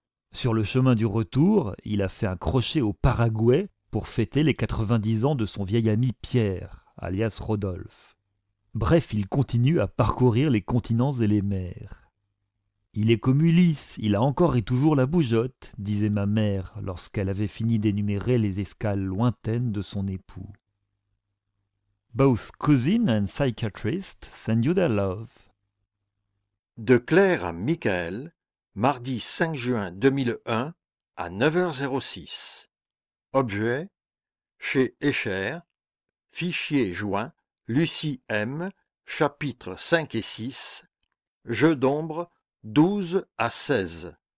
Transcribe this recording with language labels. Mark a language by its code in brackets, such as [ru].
[fr] Sur le chemin du retour, il a fait un crochet au Paraguay pour fêter les 90 ans de son vieil ami Pierre, alias Rodolphe. Bref, il continue à parcourir les continents et les mers. Il est comme Ulysse, il a encore et toujours la bougeotte, disait ma mère lorsqu'elle avait fini d'énumérer les escales lointaines de son époux. [en] Both cousin and psychiatrist send you their love. [fr] De Claire à Michael, mardi 5 juin 2001 à 9h06. Objet, chez Escher, fichier joint. Lucie M., chapitres 5 et 6, jeu d'ombre 12 à 16.